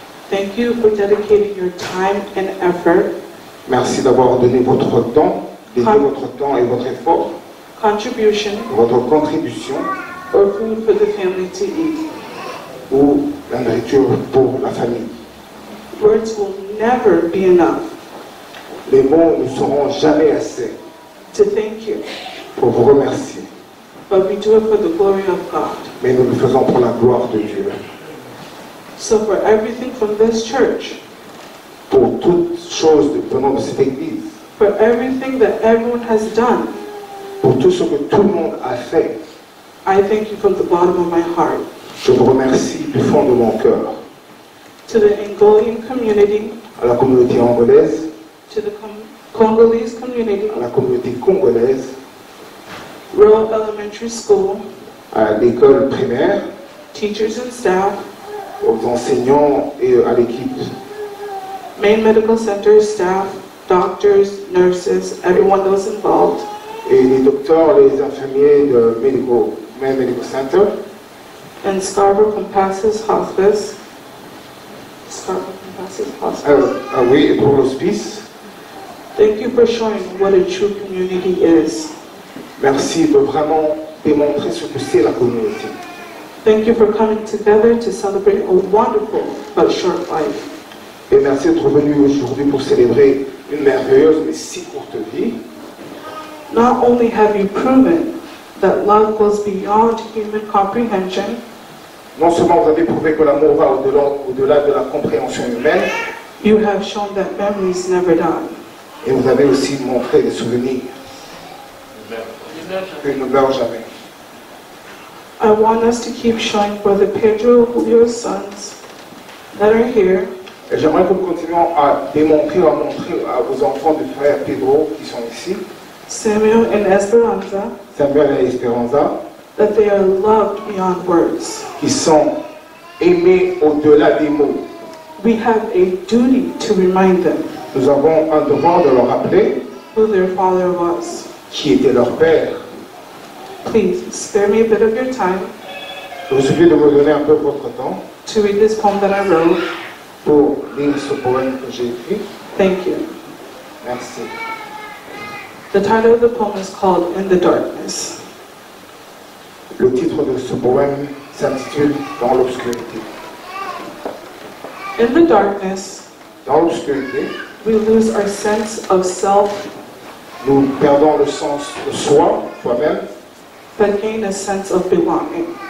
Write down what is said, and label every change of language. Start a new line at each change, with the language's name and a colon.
English: Thank you for dedicating your time and effort.
French: Merci d'avoir donné votre temps, dédié votre temps et votre effort.
English: Contribution.
French: Votre contribution.
English: Or food for the family to eat.
French: Ou la nourriture pour la famille.
English: Words will never be enough.
French: Les mots ne seront jamais assez.
English: To thank you.
French: Pour vous remercier.
English: But we do it for the glory of God.
French: Mais nous le faisons pour la gloire de Dieu.
English: So for everything from this church.
French: Pour toutes choses venant de cette église.
English: For everything that everyone has done.
French: Pour tout ce que tout le monde a fait.
English: I thank you from the bottom of my heart.
French: Je vous remercie du fond de mon cœur.
English: To the Angolan community.
French: À la communauté angolaise.
English: To the Congolese community.
French: À la communauté congolaise.
English: Rural elementary school.
French: À l'école primaire.
English: Teachers and staff.
French: Aux enseignants et à l'équipe.
English: Main medical center staff, doctors, nurses, everyone that was involved.
French: Et les docteurs, les infirmiers de
English: médical center and Scarborough Compassus Hospice fast as possible. Are we a total peace? Thank you for showing what a true community is.
French: Merci de vraiment démontrer ce que c'est la communauté.
English: Thank you for coming together to celebrate a wonderful but short life.
French: Et merci d'être venu aujourd'hui pour célébrer une merveilleuse mais si courte vie.
English: Not only have you proven that love goes beyond human comprehension.
French: Non seulement vous avez prouvé que l'amour va au-delà de la compréhension humaine.
English: You have shown that memories never die.
French: Et vous avez aussi montré des souvenirs. Ils ne meurent jamais.
English: I want us to keep showing Brother Pedro Julio's sons that are here.
French: Et j'aimerais que nous continuions à démontrer, à montrer à vos enfants du frère Pedro qui sont ici.
English: Samuel and Esperanza.
French: Samuel et Esperanza.
English: That they are loved beyond words.
French: Qui sont aimés au-delà des mots.
English: We have a duty to remind them.
French: Nous avons un devoir de leur rappeler.
English: Who their father was.
French: Qui était leur père.
English: Please spare me a bit of your time.
French: Je vous supplie de me donner un peu de votre temps.
English: To read this poem that I wrote.
French: Pour lire ce poème que j'ai écrit.
English: Thank you.
French: Merci.
English: The title of the poem is called In the Darkness.
French: Le titre de ce poème s'intitule Dans l'obscurité.
English: In the darkness,
French: dans l'obscurité,
English: we lose our sense of self.
French: Nous perdons le sens de soi, soi-même.
English: But gain a sense of belonging.